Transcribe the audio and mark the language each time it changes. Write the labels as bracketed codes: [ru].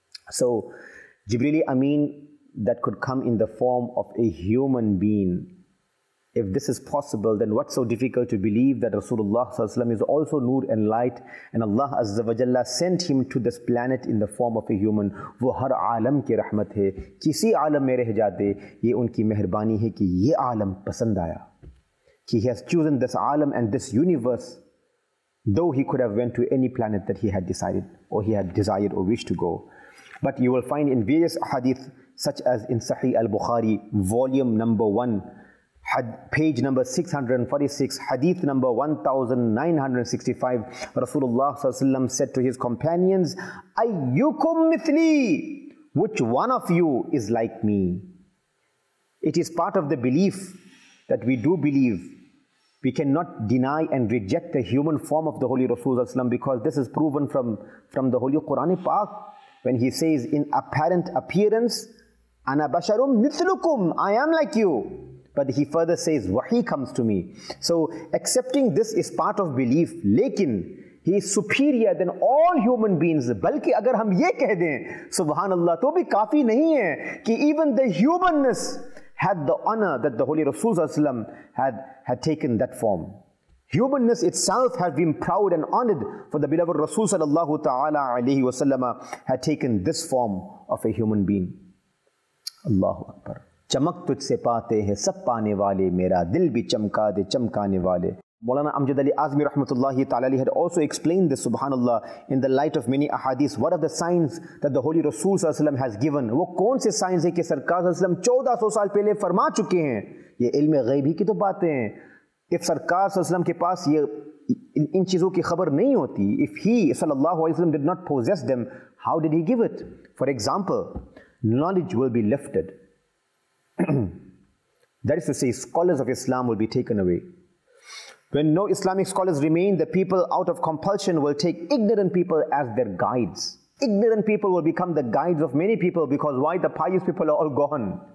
[en] So, Jibril Amin, that could come in the form of a human being. If this is possible, then what's so difficult to believe that Rasulullah is also Noor and Light, and Allah Azza wa Jalla sent him to this planet in the form of a human. [ur] وہ ہر عالم کی رحمت ہے, کسی عالم میں رہ جاتے, یہ ان کی مہربانی ہے کہ یہ عالم پسند آیا. [en] He has chosen this عالم and this universe, though he could have went to any planet that he had decided, or he had desired or wished to go. But you will find in various hadith, such as in Sahih al-Bukhari, volume number 1, page number 646, hadith number 1965, Rasulullah sallallahu alaihi wasallam said to his companions, [ar] أَيُّكُمْ مِثْلِي, [en] which one of you is like me? It is part of the belief that we do believe. We cannot deny and reject the human form of the Holy Rasul sallallahu alaihi wasallam, because this is proven from the Holy Quran Pak, when he says, in apparent appearance, [ar] أَنَا بَشَرٌ مِثْلُكُمْ, [en] I am like you. But he further says, وَحِي comes to me. So accepting this is part of belief. لیکن he is superior than all human beings. [ur] بلکہ اگر ہم یہ کہہ دیں, سبحان اللہ, تو بھی کافی نہیں ہے کہ [en] even the humanness had the honor that the Holy Rasul صلی اللہ علیہ وسلم had taken that form. Humanness itself has been proud and honored for the beloved Rasul صلی اللہ علیہ وسلم had taken this form of a human being. [ur] اللہ اکبر. چمک تجھ سے پاتے ہیں سب پانے والے, میرا دل بھی چمکا دے چمکانے والے. [en] مولانا امجد علی اعظمی رحمت اللہ تعالی had also explained this, subhanallah, in the light of many احادیث, what are the signs that the Holy Rasul صلی اللہ علیہ وسلم has given. [ur] وہ کون سے signs ہیں کہ سرکار صلی اللہ علیہ وسلم 1400 سال پہلے فرما چکے ہیں. یہ علم غیبی کی تو باتیں ہیں. If سرکار صلی اللہ علیہ وسلم کے پاس یہ ان چیزوں کی خبر نہیں ہوتی, [en] if he صلی اللہ علیہ وسلم did not possess them, how did he give it? For example, knowledge will be lifted. That is to say, scholars of Islam will be taken away. When no Islamic scholars remain, the people out of compulsion will take ignorant people as their guides. Ignorant people will become the guides of many people, because why? The pious people are all gone.